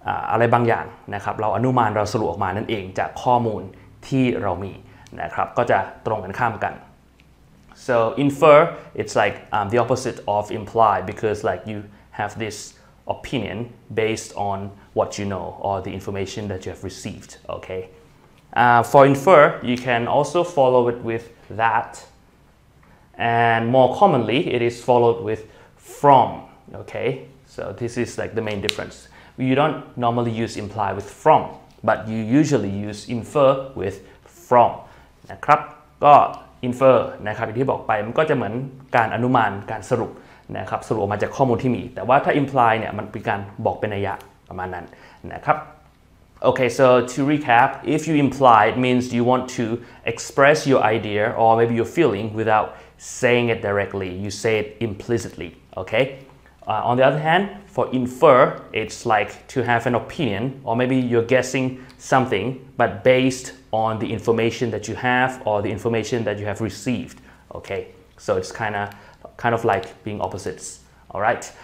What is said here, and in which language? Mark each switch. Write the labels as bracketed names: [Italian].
[Thai] อะไรบางอย่างนะครับเราอนุมานเราสรุปออกมานั่นเองจากข้อมูลที่เรามีนะครับก็จะตรงกันข้ามกัน [English] so infer it's like the opposite of imply because like you have this opinion based on what you know or the information that you have received, okay. For infer, you can also follow it with that, and more commonly, it is followed with from. Okay, so this is like the main difference. You don't normally use imply with from, but you usually use infer with from. [Thai] นะครับก็ infer นะครับที่บอกไปมันก็จะเหมือนการอนุมานการสรุปนะครับสรุปมาจากข้อมูลที่มีแต่ว่าถ้า imply เนี่ยมันเป็นการบอกเป็นนัยยะประมาณนั้นนะครับ [English] Okay, so to recap, if you imply, it means you want to express your idea or maybe your feeling without saying it directly. You say it implicitly, okay? On the other hand, for infer, it's like to have an opinion or maybe you're guessing something, but based on the information that you have or the information that you have received, okay? So it's kind of like being opposites, all right?